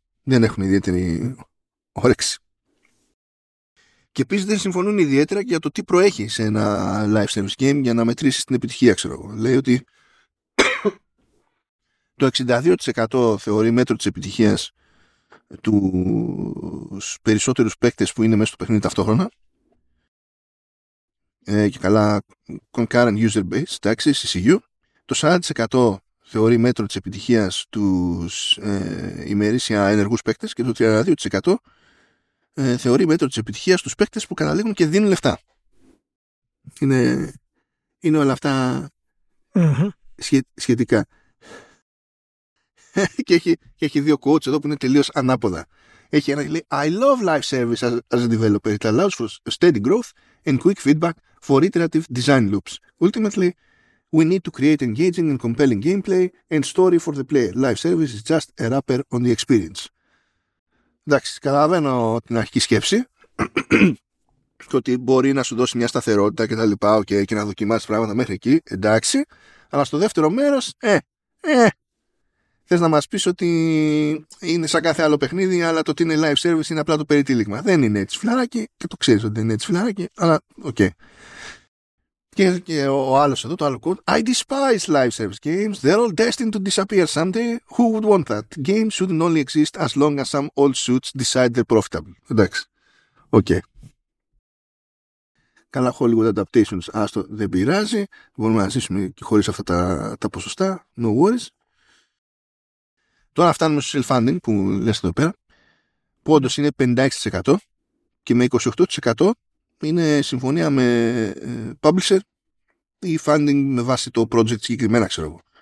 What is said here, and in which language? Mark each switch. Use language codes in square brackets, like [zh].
[el] δεν έχουν ιδιαίτερη όρεξη. Και επίσης δεν συμφωνούν ιδιαίτερα για το τι προέχει σε ένα live service game για να μετρήσεις την επιτυχία, ξέρω εγώ. Λέει ότι το 62% θεωρεί μέτρο της επιτυχίας τους περισσότερους παίκτες που είναι μέσα στο παιχνίδι ταυτόχρονα. Και καλά, concurrent user base, εντάξει, CCU. Το 40% θεωρεί μέτρο της επιτυχίας τους ημερήσια ενεργούς παίκτες και το 32% θεωρεί μέτρο της επιτυχίας τους παίκτες που καταλήγουν και δίνουν λεφτά. Είναι όλα αυτά σχετικά. Και έχει δύο quotes εδώ που είναι τελείως ανάποδα. Έχει ένα και λέει [en] «I love live service as a developer. It allows for steady growth and quick feedback for iterative design loops. Ultimately, we need to create engaging and compelling gameplay and story for the player. Live service is just a wrapper on the experience». [el] Εντάξει, καταλαβαίνω την αρχική σκέψη και ότι μπορεί να σου δώσει μια σταθερότητα και τα λοιπά, okay, και να δοκιμάσεις πράγματα μέχρι εκεί, εντάξει. Αλλά στο δεύτερο μέρος, θες να μας πεις ότι είναι σαν κάθε άλλο παιχνίδι, αλλά το ότι είναι live service είναι απλά το περιτύλιγμα. Δεν είναι έτσι φιλαράκι και το ξέρεις ότι δεν είναι έτσι φιλαράκι, αλλά okay. Και ο άλλος εδώ, το άλλο quote, [en] «I despise live service games. They're all destined to disappear someday. Who would want that? Games shouldn't only exist as long as some old suits decide they're profitable». [el] Εντάξει. Okay. Καλά, Hollywood adaptations, άστο, δεν πειράζει. Μπορούμε να ζήσουμε και χωρίς αυτά τα ποσοστά. [en] No worries. [el] Τώρα φτάνουμε στο self-funding που λες εδώ πέρα. Που όντως είναι 56% και με 28% είναι συμφωνία με publisher ή funding με βάση το project συγκεκριμένα, ξέρω εγώ.